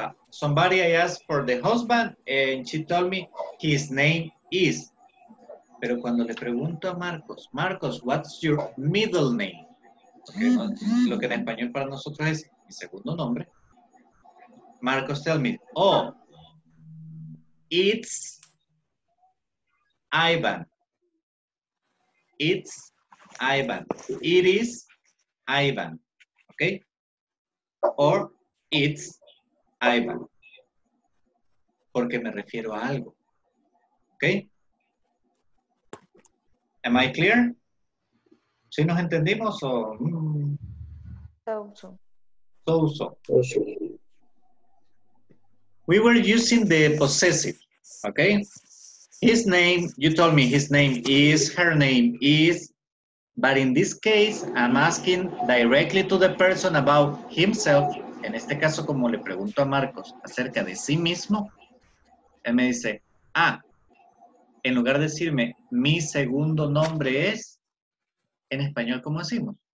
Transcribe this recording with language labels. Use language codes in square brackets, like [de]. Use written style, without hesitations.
[en] Somebody I asked for the husband and she told me his name is. [es] Pero cuando le pregunto a Marcos, Marcos, [en] what's your middle name? [es] Okay, lo que en español para nosotros es mi segundo nombre. [en] Marcos, tell me. Oh, it's Ivan. It's Ivan. It is Ivan. Okay? Or it's Ivan. ¿Por [es] que me refiero a algo. ¿Ok? [en] Am I clear? [es] ¿Sí nos entendimos o...? [en] So-so. We were using the possessive, okay? His name, you told me his name is, her name is, but in this case, I'm asking directly to the person about himself. [es] En este caso, como le pregunto a Marcos acerca de sí mismo, él me dice, ah, en lugar de decirme, mi segundo nombre es, en español, ¿cómo decimos?